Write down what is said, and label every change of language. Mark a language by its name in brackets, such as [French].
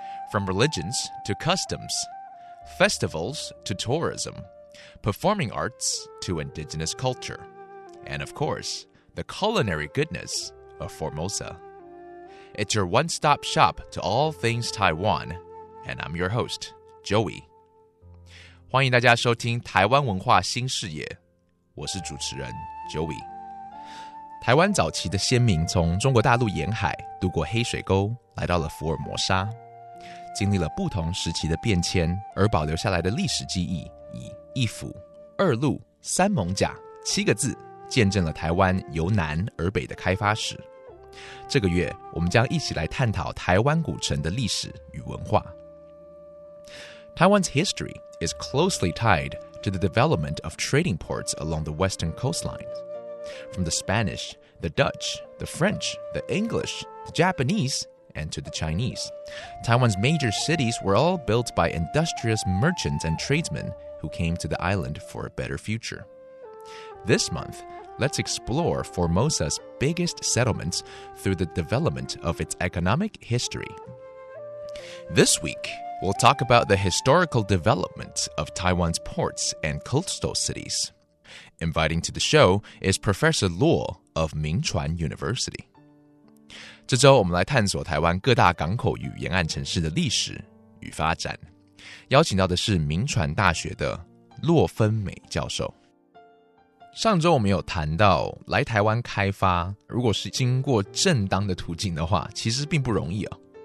[English] From religions to customs, festivals to tourism, performing arts to indigenous culture, and of course, the culinary goodness of Formosa. It's your one-stop shop to all things Taiwan, and I'm your host, Joey. [Chinese] 欢迎大家收听台湾文化新视野，我是主持人 Joey。台湾早期的先民从中国大陆沿海渡过黑水沟，来到了福尔摩沙，经历了不同时期的变迁，而保留下来的历史记忆以一府、二路、三艋舺七个字见证了台湾由南而北的开发史。这个月我们将一起来探讨台湾古城的历史与文化。 [English] Taiwan's history is closely tied to the development of trading ports along the western coastline. From the Spanish, the Dutch, the French, the English, the Japanese, and to the Chinese, Taiwan's major cities were all built by industrious merchants and tradesmen who came to the island for a better future. This month, let's explore Formosa's biggest settlements through the development of its economic history. This week, we'll talk about the historical development of Taiwan's ports and coastal cities. Inviting to the show is Professor Luo of Mingchuan University. [Chinese] 这周我们来探索台湾各大港口与沿岸城市的历史与发展。邀请到的是明传大学的洛芬美教授。上周我们有谈到来台湾开发，如果是经过正当的途径的话，其实并不容易啊。